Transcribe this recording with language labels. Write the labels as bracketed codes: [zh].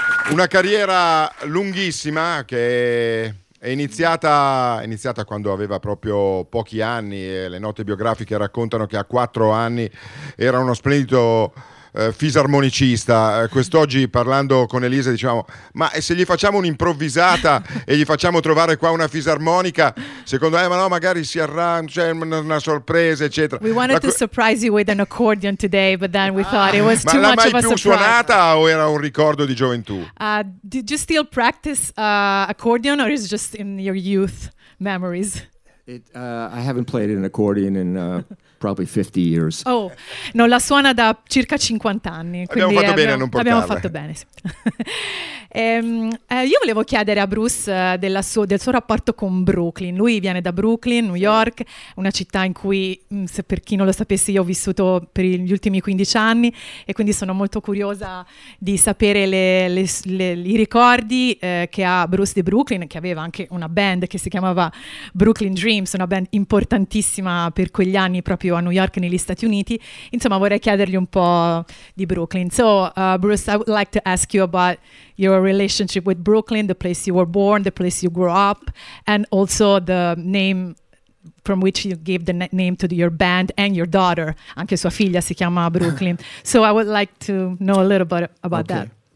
[it] Una carriera lunghissima che è iniziata quando aveva proprio pochi anni, e le note biografiche raccontano che a 4 anni era uno splendido fisarmonicista. Quest'oggi, parlando con Elisa, diciamo: ma se gli facciamo un'improvvisata e gli facciamo trovare qua una fisarmonica, secondo me, ma no, magari si arrangia, c'è una sorpresa, eccetera. [en] We wanted to surprise you with an accordion today, but then we thought it was too much of a surprise. [it] Ma l'ha mai più suonata o era un ricordo di gioventù? [en] Did you still practice accordion, or is it just in your youth memories? I haven't played an accordion in probably 50 years. [it] Oh, non la suona da circa 50 anni. Quindi abbiamo fatto bene a non portarla. Abbiamo fatto bene, sì. io volevo chiedere a Bruce del suo rapporto con Brooklyn. Lui viene da Brooklyn, New York, una città in cui, se per chi non lo sapesse, io ho vissuto per gli ultimi 15 anni, e quindi sono molto curiosa di sapere i ricordi che ha Bruce di Brooklyn, che aveva anche una band che si chiamava Brooklyn Dreams, una band importantissima per quegli anni proprio a New York, negli Stati Uniti. Insomma, vorrei chiedergli un po' di Brooklyn. [en] So Bruce, I would like to ask you about your relationship with Brooklyn, the place you were born, the place you grew up, and also the name from which you gave the name to your band and your daughter. [it] Anche sua figlia si chiama Brooklyn. [en] So I would like to know a little bit about that.